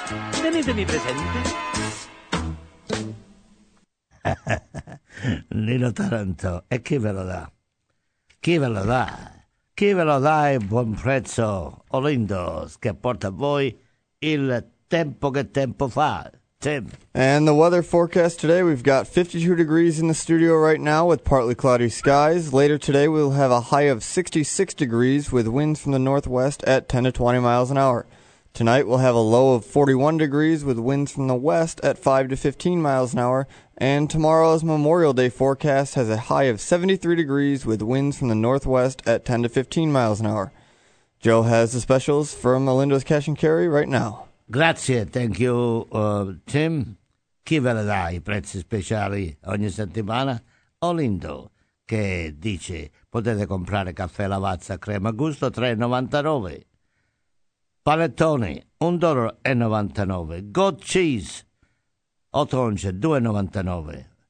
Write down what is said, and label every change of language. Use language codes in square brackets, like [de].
[it] Tenetemi presente. Lino Taranto, e chi ve lo dà? Chi ve lo dà? Chi ve lo dà a buon prezzo? Olindos, che porta a voi il tempo che tempo fa. Tim. [en] And the weather forecast today, we've got 52 degrees in the studio right now with partly cloudy skies. Later today, we'll have a high of 66 degrees with winds from the northwest at 10 to 20 miles an hour. Tonight, we'll have a low of 41 degrees with winds from the west at 5 to 15 miles an hour. And tomorrow's Memorial Day forecast has a high of 73 degrees with winds from the northwest at 10 to 15 miles an hour. Joe has the specials from Olindo's Cash and Carry right now. [it] Grazie, [en] thank you, Tim. [it] Chi ve la dà i prezzi speciali ogni settimana? Olindo, che dice potete comprare caffè Lavazza crema gusto 3,99. [en] Panettone, $1.99. Goat cheese, 8 once, $2.99.